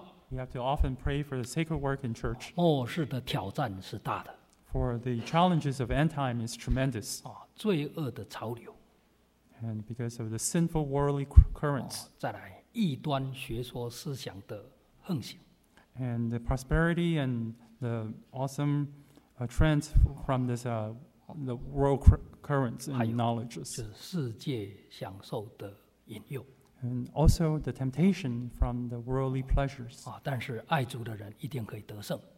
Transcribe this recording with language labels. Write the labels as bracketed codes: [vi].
[en] We have to often pray for the sacred work in church. [zh] 末世的挑战是大的。 [en] For the challenges of end time is tremendous. [zh] 罪恶的潮流。 [en] And because of the sinful worldly currents. [zh] 再来，异端学说思想的横行。 [en] And the prosperity and the awesome trends from this the world currents and knowledges. [zh] 还有，就是世界享受的引诱。 [en] And also the temptation from the worldly pleasures. [zh] 但是爱主的人一定可以得胜。